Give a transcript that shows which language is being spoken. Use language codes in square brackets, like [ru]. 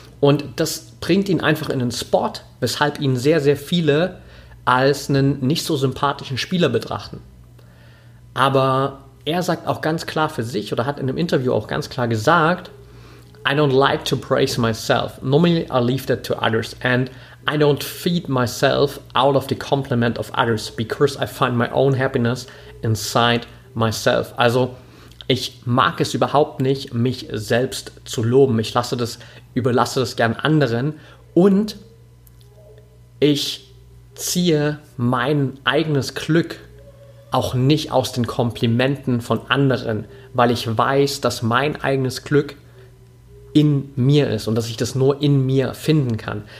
[de] Und das bringt ihn einfach in den Spot, weshalb ihn sehr, sehr viele als einen nicht so sympathischen Spieler betrachten. Aber er sagt auch ganz klar für sich oder hat in einem Interview auch ganz klar gesagt, [en] I don't like to praise myself. Normally I leave that to others. And I don't feed myself out of the compliment of others because I find my own happiness inside myself. [de] Also ich mag es überhaupt nicht, mich selbst zu loben. Ich überlasse das gern anderen und ich ziehe mein eigenes Glück auch nicht aus den Komplimenten von anderen, weil ich weiß, dass mein eigenes Glück in mir ist und dass ich das nur in mir finden kann.